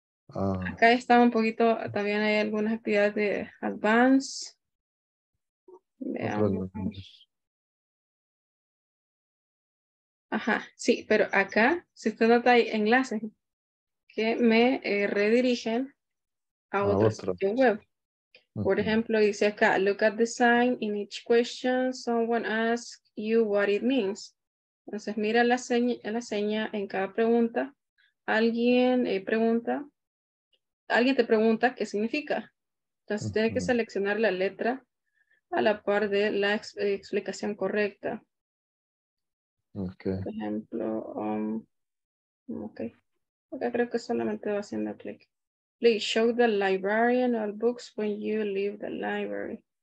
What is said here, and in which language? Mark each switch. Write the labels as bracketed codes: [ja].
[es] Acá está un poquito, también hay algunas actividades de advance. Veamos. Ajá, sí, pero acá, si usted nota, hay enlaces que me redirigen a otro sitio web. Por ejemplo, dice acá, [en] look at the sign in each question, someone asks you what it means. [es] Entonces, mira la seña en cada pregunta. Alguien pregunta. Alguien te pregunta qué significa. Entonces, uh-huh. Tienes que seleccionar la letra a la par de la explicación correcta. Ok. Por ejemplo, okay, creo que solamente va haciendo clic. [en] Please show the librarian all books when you leave the library.